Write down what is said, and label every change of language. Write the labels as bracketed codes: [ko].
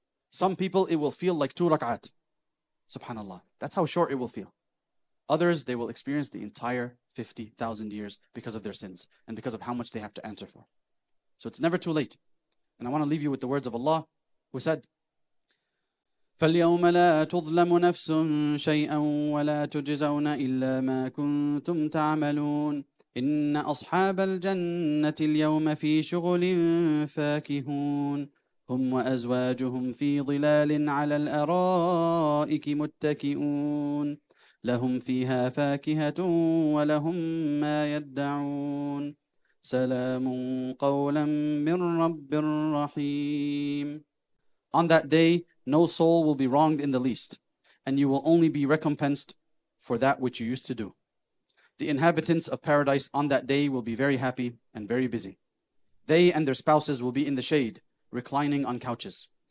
[en] Some people, it will feel like 2 rak'at. Subhanallah. That's how short it will feel. Others, they will experience the entire 50,000 years because of their sins and because of how much they have to answer for. So it's never too late. And I want to leave you with the words of Allah, who said, [ar] فاليوم لا تظلم نفس شيئا ولا تجزون إلا ما كنتم تعملون إن أصحاب الجنة اليوم في شغل فاكهون هم وأزواجهم في ظلال على الأرائك متكئون لهم فيها فاكهة ولهم ما يدعون سلام قولا من رب رحيم. [en] On that day, no soul will be wronged in the least, and you will only be recompensed for that which you used to do. The inhabitants of paradise on that day will be very happy and very busy. They and their spouses will be in the shade, reclining on couches.